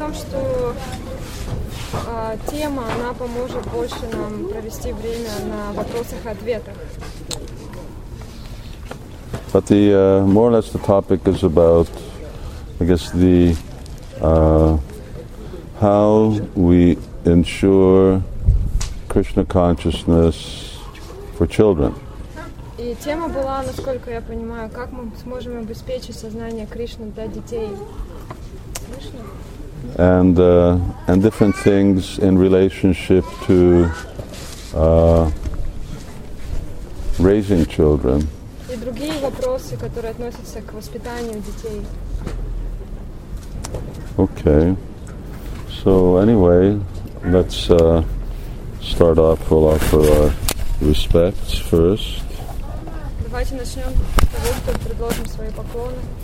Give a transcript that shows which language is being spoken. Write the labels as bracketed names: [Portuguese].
[Russian] Тема, она поможет больше нам провести время на вопросах и ответах. [English] But the more or less the topic is about, I guess, the how we ensure Krishna consciousness for children. [Russian] И тема была, насколько я понимаю, как мы сможем обеспечить сознание Кришны для детей. [English] And different things in relationship to raising children. [Russian] И другие вопросы, которые относятся к воспитанию детей. [English] Okay. So anyway, let's start off. We'll offer our respects first. [Russian] Давайте начнем с того, что предложим свои поклоны.